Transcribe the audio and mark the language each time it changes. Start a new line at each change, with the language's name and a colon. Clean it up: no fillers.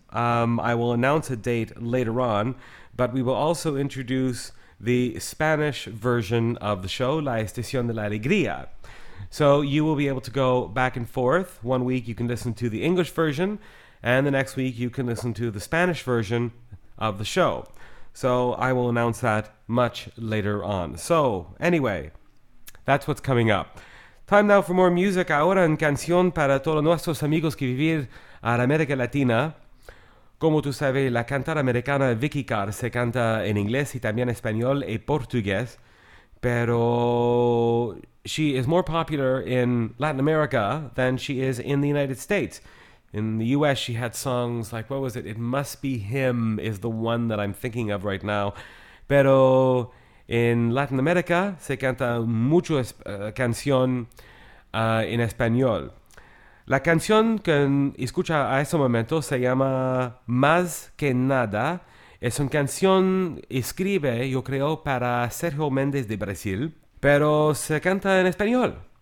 English: I will announce a date later on, but we will also introduce the Spanish version of the show, La Estación de la Alegría. So you will be able to go back and forth. One week you can listen to the English version, and the next week you can listen to the Spanish version of the show. So I will announce that much later on. So anyway, that's what's coming up. Time now for more music.
Spanish: Ahora en canción para todos nuestros amigos que vivir a la América Latina. Como tú sabes, la cantante americana Vicky Carr se canta en inglés y también español y portugués.
English: Pero she is more popular in Latin America than she is in the United States. In the U.S., she had songs like, what was it? It Must Be Him is the one that I'm thinking of right now.
Spanish: Pero en Latin America se canta mucho canción en español. La canción que escucha a ese momento se llama Más Que Nada. Es una canción escribe, yo creo, para Sergio Méndez de Brasil, pero se canta en español.